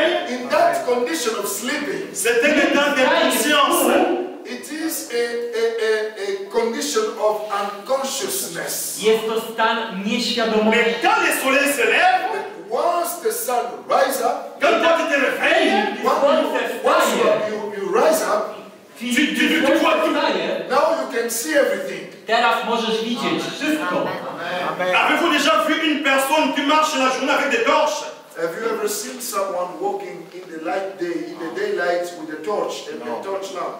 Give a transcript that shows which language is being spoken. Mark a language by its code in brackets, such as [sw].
[en] In that condition of sleeping. [fr] C'est un état de conscience. [en] It is a condition of unconsciousness. [pl] Jest to stan nieświadomości. [fr] Mais quand le soleil se lève. [en] Once the sun rises up. [fr] Quand toi tu te réveilles. [en] Once you rise up. Now you can see everything. [pl] Teraz możesz widzieć wszystko. [fr] Avez-vous déjà vu une personne qui marche la journée avec des torches? [en] Have you ever seen someone walking in the light day, in the daylight with a torch and a torch lamp?